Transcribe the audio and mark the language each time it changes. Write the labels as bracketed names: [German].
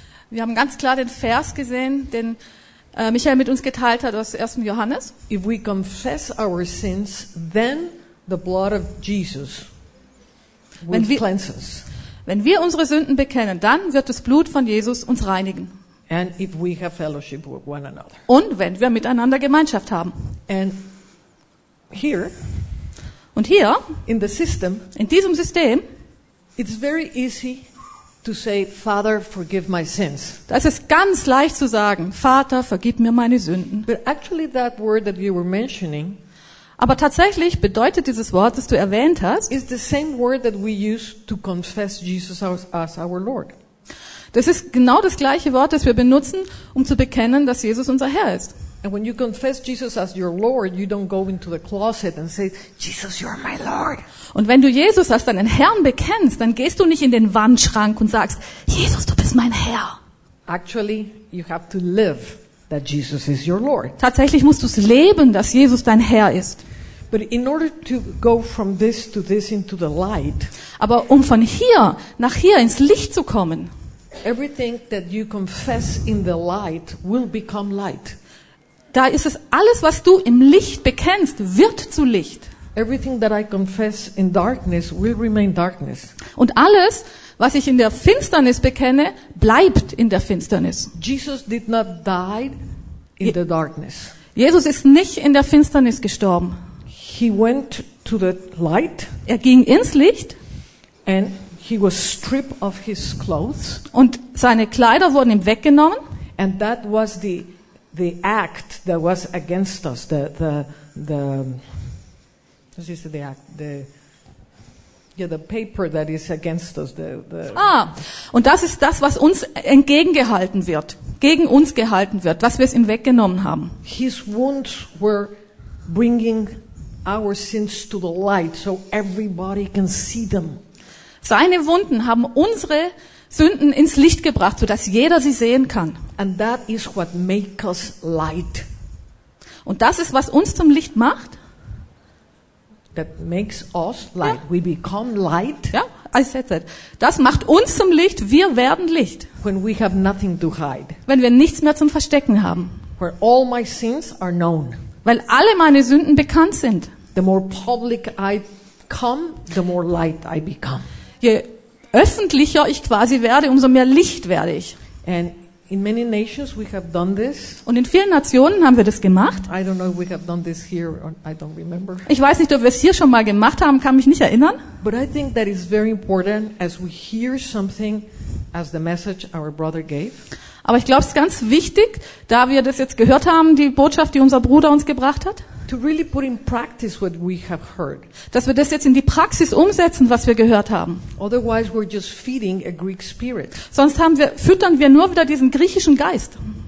[German] Wir haben ganz klar den Vers gesehen, den Michael mit uns geteilt hat aus 1. Johannes. [English] If we confess our sins, then the blood of Jesus will cleanse us. [German] Wenn wir unsere Sünden bekennen, dann wird das Blut von Jesus uns reinigen. [English] And if we have fellowship with one another. [German] Und wenn wir miteinander Gemeinschaft haben. [English] And here, [German] und hier, [English] in the system, [German] in diesem System, [English] it's very easy to say, Father, forgive my sins. [German] Das ist ganz leicht zu sagen, Vater, vergib mir meine Sünden. [English] But actually that word that you were mentioning, [German] aber tatsächlich bedeutet dieses Wort, das du erwähnt hast, [English] is the same word that we use to confess Jesus as our Lord. [German] Das ist genau das gleiche Wort, das wir benutzen, um zu bekennen, dass Jesus unser Herr ist. [English] And when you confess Jesus as your Lord, you don't go into the closet and say, Jesus, you are my Lord. [German] Und wenn du Jesus als deinen Herrn bekennst, dann gehst du nicht in den Wandschrank und sagst, Jesus, du bist mein Herr. [English] Actually, you have to live that Jesus is your Lord. [German] Tatsächlich musst du es leben, dass Jesus dein Herr ist. [English] But in order to go from this to this into the light, [German] aber um von hier nach hier ins Licht zu kommen, [English] everything that you confess in the light will become light. [German] Da ist es, alles, was du im Licht bekennst, wird zu Licht. [English] Everything that I confess in darkness will remain darkness. [German] Und alles, was ich in der Finsternis bekenne, bleibt in der Finsternis. [English] Jesus did not die in the darkness. [German] Jesus ist nicht in der Finsternis gestorben. [English] He went to the light. [German] Er ging ins Licht. [English] And he was stripped of his clothes. [German] Und seine Kleider wurden ihm weggenommen. [English] And that was the act that was against us, the paper that is against us, [German] und das ist das, was uns entgegengehalten wird, gegen uns gehalten wird, was wir es ihm weggenommen haben. [English] His wounds were bringing our sins to the light, so everybody can see them. [German] Seine Wunden haben unsere Sünden ins Licht gebracht, so dass jeder sie sehen kann. [English] And that is what makes us light. [German] Und das ist, was uns zum Licht macht. [English] That makes us light. [German] Ja. [English] We become light. [German] Ja, [English] I said that. [German] Das macht uns zum Licht. Wir werden Licht. [English] When we have nothing to hide. [German] Wenn wir nichts mehr zum Verstecken haben. [English] Where all my sins are known. [German] Weil alle meine Sünden bekannt sind. [English] The more public I come, the more light I become. [German] Je öffentlicher ich quasi werde, umso mehr Licht werde ich. [English] And in many nations we have done this. [German] Und in vielen Nationen haben wir das gemacht. [English] I don't know if we have done this here or I don't remember. [German] Ich weiß nicht, ob wir es hier schon mal gemacht haben, kann mich nicht erinnern. [English] But I think that is very important as we hear something as the message our brother gave. [German] Aber ich glaube, es ist ganz wichtig, da wir das jetzt gehört haben, die Botschaft, die unser Bruder uns gebracht hat. [English] To really put in practice what we have heard. [German] Dass wir das jetzt in die Praxis umsetzen, was wir gehört haben. [English] Otherwise we're just feeding a Greek spirit. [German] Sonst füttern wir nur wieder diesen griechischen Geist.